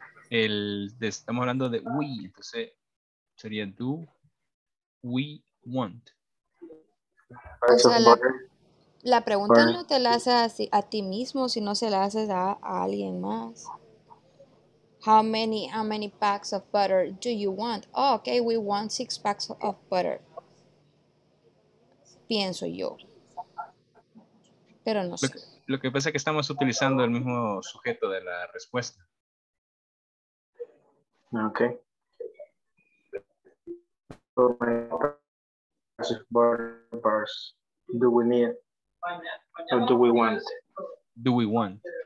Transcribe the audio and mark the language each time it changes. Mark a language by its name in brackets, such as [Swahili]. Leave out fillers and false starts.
[Spanish] Estamos hablando de we, entonces sería [English] do we want. [Spanish] O sea, la pregunta no te la haces a ti mismo, sino se la haces a alguien más. [English] How many packs of butter do you want? Oh, okay, we want 6 packs of butter. [Spanish] Pienso yo. Pero no sé. Lo que pasa es que estamos utilizando el mismo sujeto de la respuesta. Ok. [English] How many packs of butter bars do we need? Or do we want? Do we want?